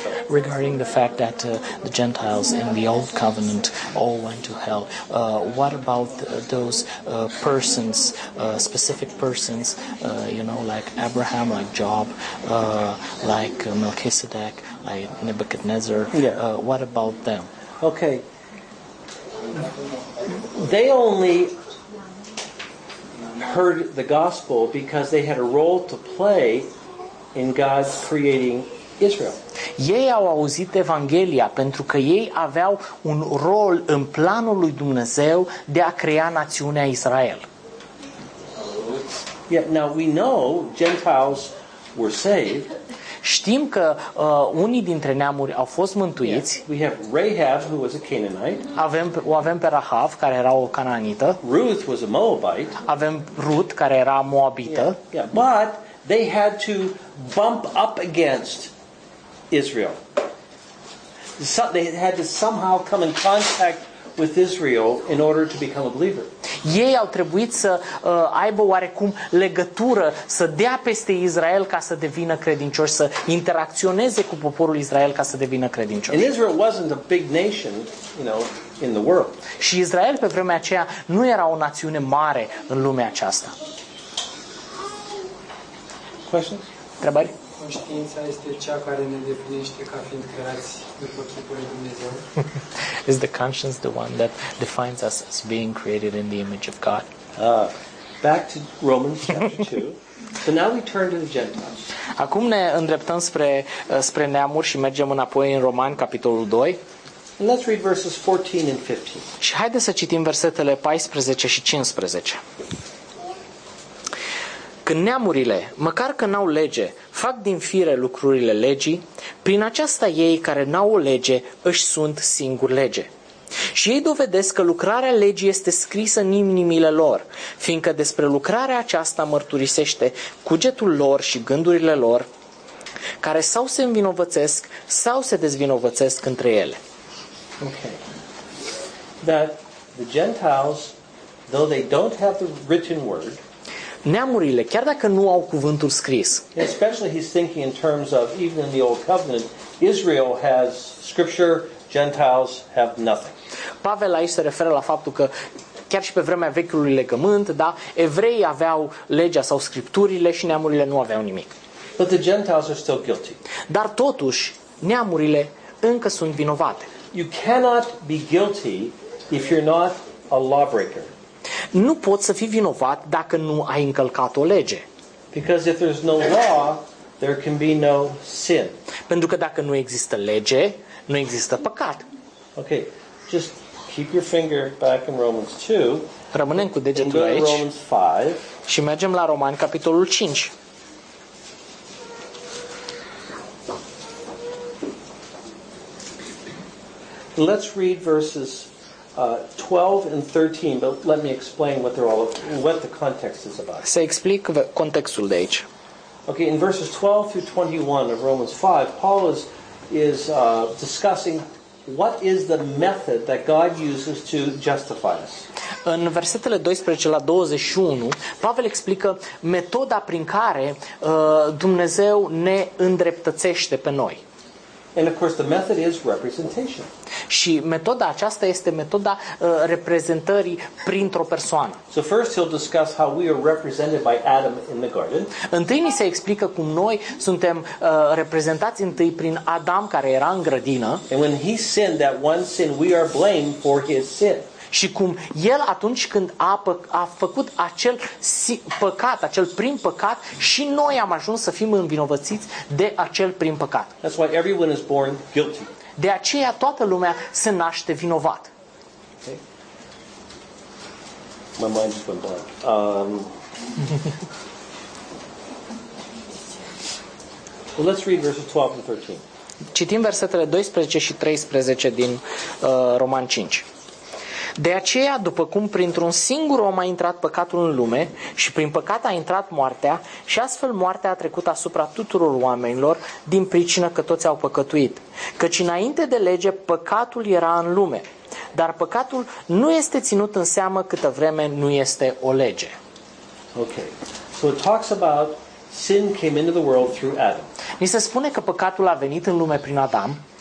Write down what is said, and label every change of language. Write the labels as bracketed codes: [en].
[en] Regarding the fact that the Gentiles in the Old Covenant all went to hell, what about those persons, specific persons, you know, like Abraham, like Job, like Melchizedek, like Nebuchadnezzar, what about them? Okay. They only heard the gospel because they had a role to play in God's creating Israel. [ro] Ei au auzit Evanghelia pentru că ei aveau un rol în planul lui Dumnezeu de a crea națiunea Israel. [en] Yeah, now we know Gentiles were saved. [ro] Știm că unii dintre neamuri au fost mântuiți. [en] Yeah, we have Rahab who was a Canaanite. [ro] Avem pe Rahav care era o cananită. [en] Ruth was a Moabite. [ro] Avem Ruth care era moabită. [en] Yeah, yeah. But they had to bump up against Israel. So they had to somehow come in contact with Israel in order to become a believer. [ro] Ei au trebuit să aibă oarecum legătură, să dea peste Israel ca să devină credincioși, să interacționeze cu poporul Israel ca să devină credincioși. [en] And Israel wasn't a big nation, you know, in the world. [ro] Și Israel pe vremea aceea nu era o națiune mare în lumea aceasta. [en] Questions? [ro] Întrebări? Conștiința este cea care ne definește ca fiind creați după chipul lui Dumnezeu. [en] Is the conscience the one that defines us as being created in the image of God? Back to Romans chapter 2. So now we turn to the Gentiles. [ro] Acum ne îndreptăm spre neamuri și mergem înapoi în Romani capitolul 2. [en] And let's read verses 14 and 15. [ro] Și haide să citim versetele 14 și 15. Când neamurile, măcar că n-au lege, fac din fire lucrurile legii, prin aceasta ei care n-au o lege, își sunt singuri lege. Și ei dovedesc că lucrarea legii este scrisă în inimile lor, fiindcă despre lucrarea aceasta mărturisește cugetul lor și gândurile lor, care sau se învinovățesc, sau se dezvinovățesc între ele. [en] Okay. That the Gentiles, though they don't have the written word, [ro] neamurile, chiar dacă nu au cuvântul scris. [en] Especially he's thinking in terms of even in the old covenant, Israel has scripture, Gentiles have nothing. [ro] Pavel aici se referă la faptul că chiar și pe vremea vechiului legământ, da, evreii aveau legea sau scripturile și neamurile nu aveau nimic. [en] But the Gentiles are still guilty. [ro] Dar totuși, neamurile încă sunt vinovate. [en] You cannot be guilty if you're not a lawbreaker. [ro] Nu poți să fii vinovat dacă nu ai încălcat o lege. [en] Because if there's no law, there can be no sin. [ro] Pentru că dacă nu există lege, nu există păcat. [en] Okay. Just keep your finger back in Romans 2. [ro] Rămânem cu degetul aici. [en] Romans 5. [ro] Și mergem la Romani capitolul 5. [en] Let's read verses 12 and 13, but let me explain what the context is about. [ro] Să explic contextul de aici. [en] Okay, in verses 12 through 21 of Romans 5, Paul is discussing what is the method that God uses to justify us. [ro] În versetele 12 la 21, Pavel explică metoda prin care Dumnezeu ne îndreptățește pe noi. [en] And of course the method is representation. [ro] Și metoda aceasta este metoda reprezentării printr-o persoană. [en] So first he'll discuss how we are represented by Adam in the garden. [ro] Întâi ni se explică cum noi suntem reprezentați întâi prin Adam care era în grădină. [en] And when he sinned that one sin, we are blamed for his sin. [ro] Și cum el atunci când a făcut acel păcat, acel prim păcat, și noi am ajuns să fim învinovățiți de acel prim păcat. [en] That's why everyone is born guilty. [ro] De aceea toată lumea se naște vinovat. [en] Okay. My mind just went blank. Well, let's read verses 12 and 13. [ro] Citim versetele 12 și 13 din Roman 5. De aceea, după cum printr-un singur om a intrat păcatul în lume și prin păcat a intrat moartea și astfel moartea a trecut asupra tuturor oamenilor din pricină că toți au păcătuit. Căci înainte de lege, păcatul era în lume, dar păcatul nu este ținut în seamă câtă vreme nu este o lege. [en] Okay. So it talks about sin came into the world through Adam. [ro] Ni se spune că păcatul a venit în lume prin Adam.